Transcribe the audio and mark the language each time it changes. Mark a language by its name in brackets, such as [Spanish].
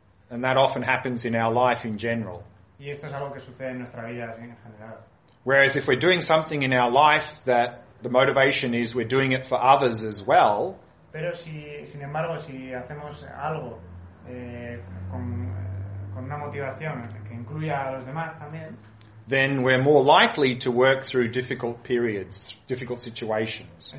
[English] And that often happens in our life in general. [Spanish] Y esto es algo que sucede en nuestra vida en general. [English] Whereas if we're doing something in our life that the motivation is we're doing it for others as well. [Spanish] Pero sin embargo, si hacemos algo con una motivación que incluya a los demás también, [English] then we're more likely to work through difficult periods, difficult situations.